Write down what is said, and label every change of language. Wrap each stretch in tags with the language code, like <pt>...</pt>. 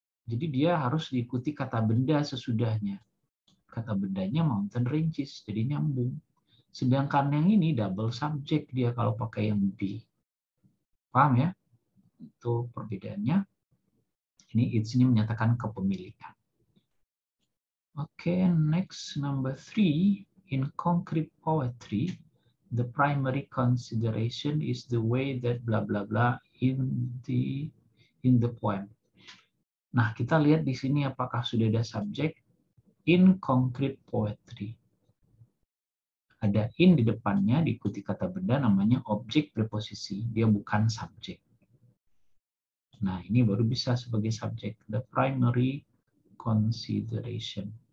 <id>Jadi dia harus diikuti kata benda sesudahnya. Kata bendanya mountain ranges, jadi nyambung. Sedangkan yang ini double subject dia kalau pakai yang be. Paham ya? Itu perbedaannya. Ini it's ini menyatakan kepemilikan.</id> <en>Oke, okay, next number three. In concrete poetry, the primary consideration is the way that blah blah blah in the poem.</en> <id>Nah, kita lihat di sini apakah sudah ada subjek</id> <en>in concrete poetry.</en> <id>Ada in di depannya, diikuti kata benda, namanya objek preposisi. Dia bukan subjek. Nah, ini baru bisa sebagai subjek.</id> <en>The primary consideration.</en>